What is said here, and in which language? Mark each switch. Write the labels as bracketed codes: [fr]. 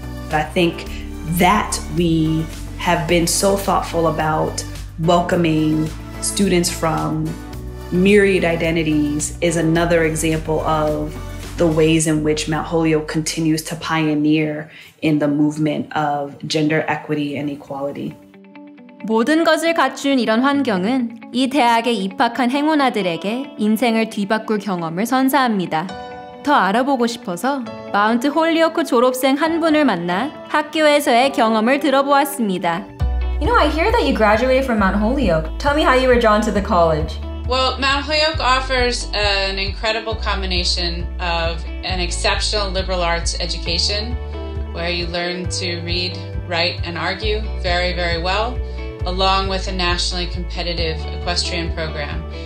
[en] But I think that we have been so thoughtful about welcoming students from myriad identities is another example of the ways in which Mount Holyoke continues to pioneer in the movement of gender equity and equality. [ko] 모든 것을 갖춘 이런 환경은 이 대학에 입학한 행운아들에게 인생을 뒤바꿀 경험을 선사합니다. 더 알아보고 싶어서 마운트 홀리오크 졸업생 한 분을 만나 학교에서의 경험을 들어보았습니다. [en] You know, I hear that you graduated from Mount Holyoke. Tell me how you were drawn to the college. Well, Mount Holyoke offers an incredible combination of an exceptional liberal arts education where you learn to read, write, and argue very, very well, along with a nationally competitive equestrian program.